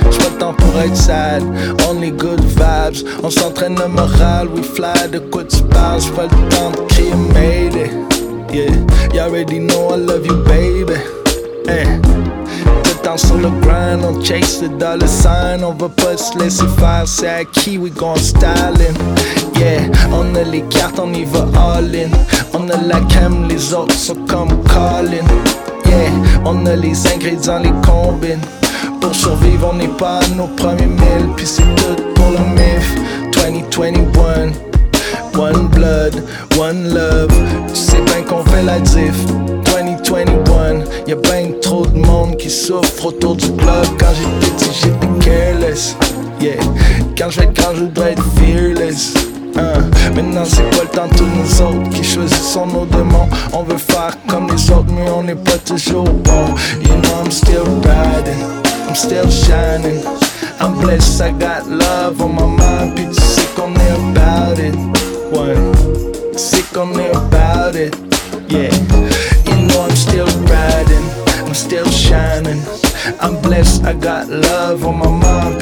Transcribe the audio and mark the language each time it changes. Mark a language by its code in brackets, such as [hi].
[fr] J'ai pas le temps pour être sad. [en] Only good vibes. [fr] On s'entraîne le moral, [en] we fly. [fr] De quoi tu parles, j'ai pas le temps de crier [en] made it. Yeah, you already know I love you baby. Hey. Down [fr] sur le [en] grind, on chase the dollar sign. [fr] On va pas se laisser faire, c'est à qui [en] we gon' styling. [fr] Yeah, on a les cartes, on y va [en] all in. [fr] On a la cam, les autres sont comme calling. Yeah, on a les ingrédients, les combines. Pour survivre, on n'est pas à nos premiers mille. Puis c'est tout pour le myth. 2021, [en] one blood, one love. [fr] Tu sais bien qu'on fait la diff. 2021, y'a ben trop de monde qui souffre autour du club. Quand j'étais petit, j'étais careless. Yeah, quand je voudrais être fearless. Maintenant, c'est quoi le temps de tous nos autres qui choisissent nos démons? On veut faire comme les autres, mais on n'est pas toujours bon. [en] You know, I'm still riding, I'm still shining. I'm blessed, I got love on my mind. [fr] Puis tu sais qu'on est [en] about it. One, sick [fr] qu'on est [en] about it. Yeah. I'm still riding, I'm still shining. I'm blessed, I got love on my mind.